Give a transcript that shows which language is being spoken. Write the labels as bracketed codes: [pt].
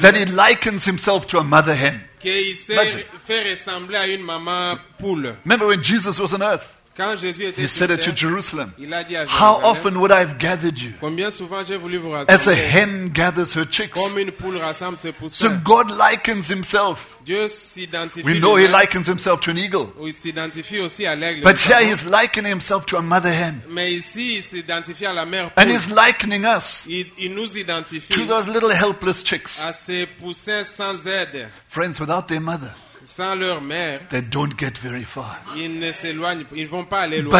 [en] that he likens himself to a mother hen. [fr] Qu'il s'est fait ressembler à une maman poule. [en] Remember when Jesus was on earth. [fr] Quand Jésus était [en] he said it to Jerusalem. [fr] Il a dit à [en] how often would I have gathered you? [fr] Combien souvent j'ai voulu vous rassembler, [en] as a hen gathers her chicks. [fr] Comme une poule rassemble ses poussins. [en] So God likens himself. [fr] Dieu s'identifie [en] we know [fr] lui-même. [en] He likens himself to an eagle. [fr] Il s'identifie aussi à l'aigle. [en] But here he's likening himself to a mother hen. [fr] Mais ici, il s'identifie à la mère poule. [en] And he's likening us [fr] il nous identifie [en] to those little helpless chicks. [fr] À ses poussins sans aide. [en] Friends, without their mother. [fr] Sans leur mère, [en] they don't get very far. [fr] Ils ne s'éloignent, ils vont pas aller loin.